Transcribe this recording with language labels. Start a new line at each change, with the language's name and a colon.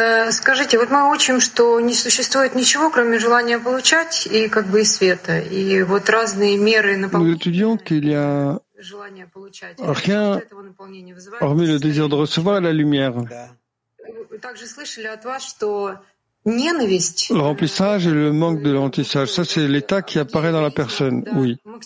Russian: Скажите, вот мы учим, что не существует ничего, кроме желания получать и как бы и света, и вот разные меры наполнения. Мы учим, что есть желание получать.
French: Rien, hormis le désir de recevoir la lumière.
Russian: Да. Также слышали от вас, что ненависть.
French: Le remplissage et le manque de remplissage, ça c'est l'état qui apparaît dans la personne, oui.